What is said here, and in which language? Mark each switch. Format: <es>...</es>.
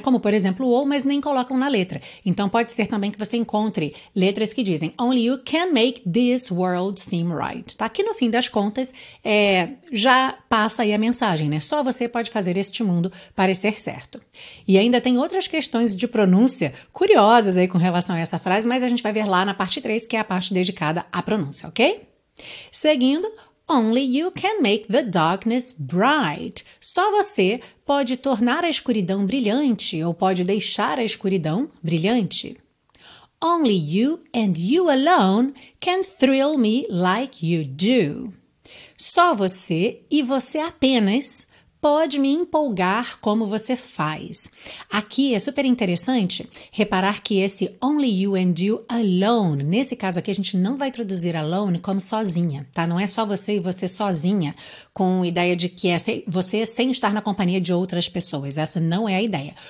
<pt>Como, por exemplo, o ou, mas nem colocam na letra. Então, pode ser também que você encontre letras que dizem</pt> <en>only you can make this world seem right.</en> <pt>Tá? Que no fim das contas, já passa aí a mensagem, né? Só você pode fazer este mundo parecer certo. E ainda tem outras questões de pronúncia curiosas aí com relação a essa frase, mas a gente vai ver lá na parte 3, que é a parte dedicada à pronúncia, ok? Seguindo,</pt> <en>only you can make the darkness bright.</en> <pt>Só você pode tornar a escuridão brilhante ou pode deixar a escuridão brilhante.</pt> <en>Only you and you alone can thrill me like you do.</en> <pt>Só você e você apenas pode me empolgar como você faz. Aqui é super interessante reparar que esse</pt> <en>only you and you alone,</en> <pt>nesse caso aqui a gente não vai traduzir alone como sozinha, tá? Não é só você e você sozinha, com ideia de que é você sem estar na companhia de outras pessoas. Essa não é a ideia.</pt>